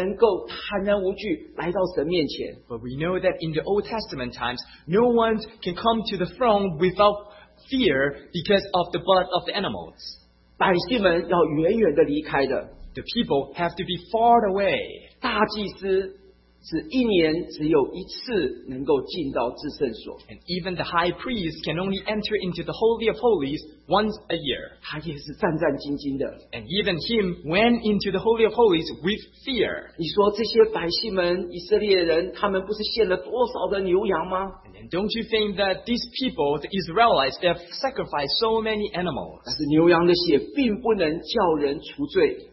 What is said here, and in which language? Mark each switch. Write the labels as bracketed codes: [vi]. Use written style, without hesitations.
[zh] 但是我们也知道在旧约里面没有一个因着杀牛宰羊他们能够坦然无惧来到神面前。 [en] But we know that in the Old Testament times, no one can come to the throne without fear because of the blood of the animals. [zh] 百姓们要远远地离开的。 [en] The people have to be far away. [zh] 大祭司是一年只有一次能够进到至圣所。 [en] And even the high priest can only enter into the Holy of Holies once a year. [zh] 他也是战战兢兢的。 [en] And even him went into the Holy of Holies with fear. [zh] 你说这些百姓们,以色列人,他们不是献了多少的牛羊吗? [en] Don't you think that these people, the Israelites, they have sacrificed so many animals? [zh] 但是牛羊的血并不能叫人除罪。